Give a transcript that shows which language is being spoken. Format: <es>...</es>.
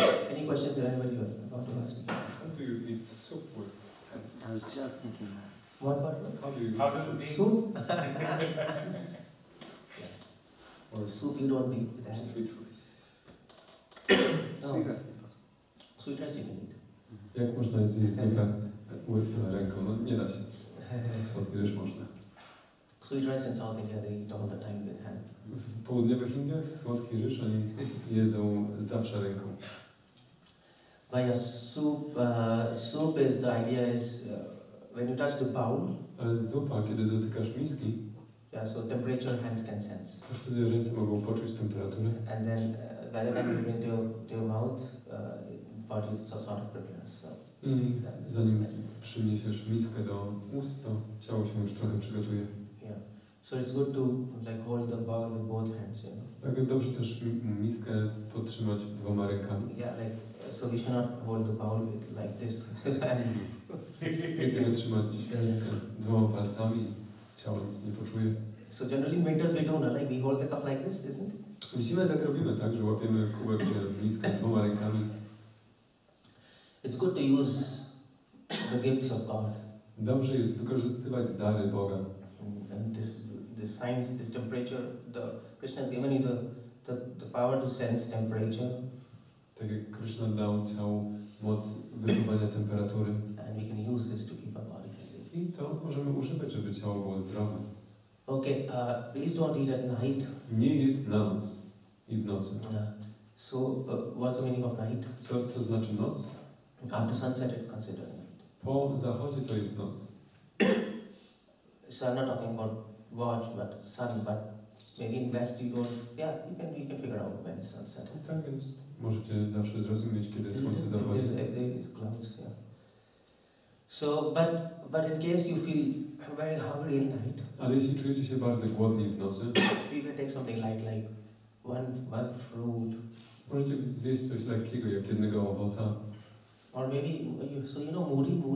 <en>Any questions that anybody has about to ask me? How do you eat soup with? I was just thinking that. What? How do you eat soup? Or soup you don't need with that. Sweet rice. No. Sweet rice you can eat.</en> <pl>Jak można zjeść zupę ręką? No nie da się. Słodki ryż można.</pl> <en>Sweet rice in South India, they eat all the time with hand.</en> <pl>W południowych Indiach słodki ryż oni jedzą zawsze ręką.</pl> <en>By a soup, soup is the idea is when you touch the bowl.</en> <pl>Zupa, kiedy dotykasz miski.</pl> <en>Yeah, so temperature hands can sense.</en> <pl>To wtedy ręce mogą poczuć temperaturę.</pl> <en>And then by the time you bring to your mouth, body is a sort of prepared. So.</en> <pl>Zanim przyniesiesz miskę do ust, to ciało się już trochę przygotuje.</pl> <en>Yeah. So it's good to like hold the bowl with both hands, you know.</en> <pl>Tak dobrze też miskę podtrzymać dwoma rękami.</pl> <en>Yeah, like so we should not hold the bowl with like this.</en> <pl>Musimy trzymać miskę dwoma palcami, ciało nic nie poczuje.</pl> <en>So generally meters we do, no? Like we hold the cup like this, isn't it?</en> <pl>Widzimy, jak robimy, tak, że łapiemy kubek czy miskę dwoma rękami.</pl> <en>It's good to use the gifts of God.</en> <pl>Dobrze jest wykorzystywać dary Boga.</pl> <en>And this science, this temperature, the Krishna has given you the power to sense temperature.</en> <pl>Tak jak Krishna dał ciało moc wyczuwania temperatury.</pl> <en>And we can use this to keep our body healthy.</en> <pl>I to możemy używać, żeby ciało było zdrowe.</pl> <en>Okay, please don't eat at night.</en> <pl>Nie jedz na noc i w nocy.</pl> <en>So, what's the meaning of night?</en> <pl>Co znaczy noc?</pl> <en>After sunset, it's considered night.</en> <pl>Po zachodzie to jest noc.</pl> <en>So I'm not talking about watch, but sun, but maybe in West you don't. Yeah, you can figure out when it's sunset.</en> <pl>Tak jest. Możecie zawsze zrozumieć, kiedy słońce zachodzi.</pl> <en>There's clouds, yeah. So, but in case you feel very hungry at night.</en> <pl>Ale jeśli czujecie się bardzo głodni w nocy.</pl> <en>You can take something light, like one fruit.</en> <pl>Możecie zjeść coś lekkiego, jak jednego owoca.</pl> <en>Or maybe you, so you know moody.</en>